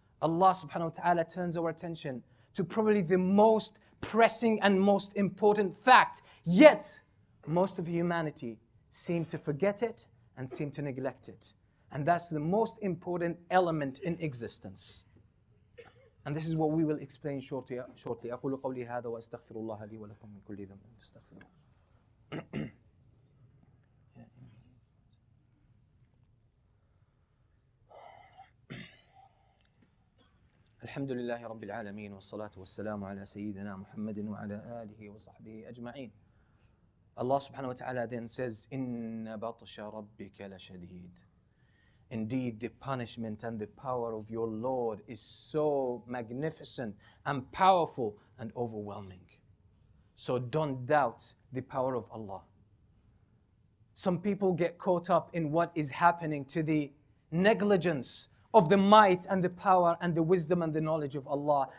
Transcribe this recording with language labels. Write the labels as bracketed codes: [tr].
[en] Allah subhanahu wa ta'ala turns our attention to probably the most pressing and most important fact, yet most of humanity seem to forget it and seem to neglect it. And that's the most important element in existence. And this is what we will explain shortly. [ar] أقول قولي هذا وأستغفر الله لي ولكم من كل ذنب فاستغفروه. الحمد لله رب العالمين والصلاة والسلام على سيدنا محمد وعلى آله وصحبه أجمعين. [en] Allah subhanahu wa ta'ala then says, [ar] إن بطش ربك لشديد. [en] Indeed, the punishment and the power of your Lord is so magnificent and powerful and overwhelming. So don't doubt the power of Allah. Some people get caught up in what is happening to the negligence of the might and the power and the wisdom and the knowledge of Allah.